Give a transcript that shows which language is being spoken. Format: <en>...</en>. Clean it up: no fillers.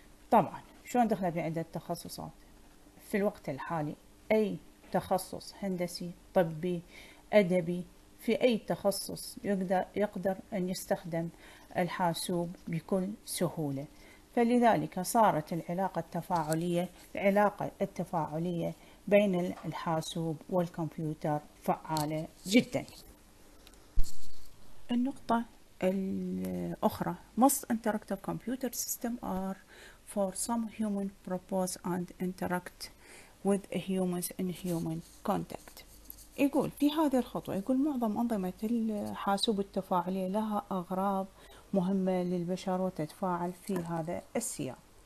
<ar>طبعا شلون دخل في عدة تخصصات؟ في الوقت الحالي أي تخصص هندسي، طبي، أدبي، في أي تخصص يقدر أن يستخدم الحاسوب بكل سهولة. فلذلك صارت العلاقة التفاعلية، العلاقة التفاعلية بين الحاسوب والكمبيوتر فعالة جدا. النقطة الأخرى</ar> <en>Most interactive computer systems are for some human purpose and interact with humans in human contact.</en> <ar>يقول في هذه الخطوة، يقول معظم أنظمة الحاسوب التفاعلية لها أغراض مهمة للبشر وتتفاعل في هذا السياق.</ar>